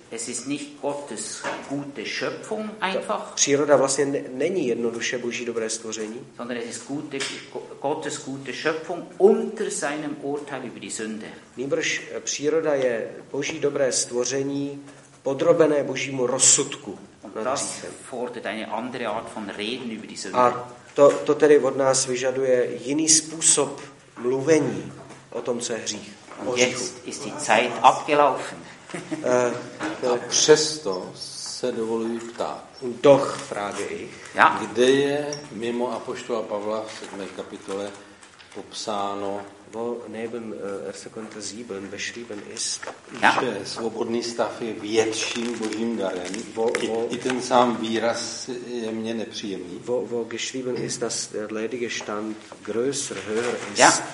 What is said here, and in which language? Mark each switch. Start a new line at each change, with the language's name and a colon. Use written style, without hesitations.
German: Es ist nicht Gottes gute Schöpfung einfach.
Czech: Příroda vlastně není jednoduše Boží dobré stvoření.
German: Sondern es ist Gottes gute Schöpfung unter seinem Urteil über die Sünde.
Czech: Nýbrž příroda je Boží dobré stvoření podrobené Božímu rozsudku.
German: Und das fordert eine andere Art von Reden über die Sünde.
Czech: A to tedy od nás vyžaduje jiný způsob mluvení o tom, co je hřích.
German: Jetzt ist die Zeit abgelaufen.
Czech: A přesto se dovoluji ptát.
German: Doch frage ich.
Czech: Ja. Kde je mimo apoštola Pavla v 7. kapitole popsáno,
German: wo neben Sekunde 7 beschrieben ist,
Czech: ja, že svobodný stav je větším božím darem. I ten sám výraz je mně nepříjemný.
German: Wo geschrieben ist, dass der ledige Stand größer, höher ist. Ja.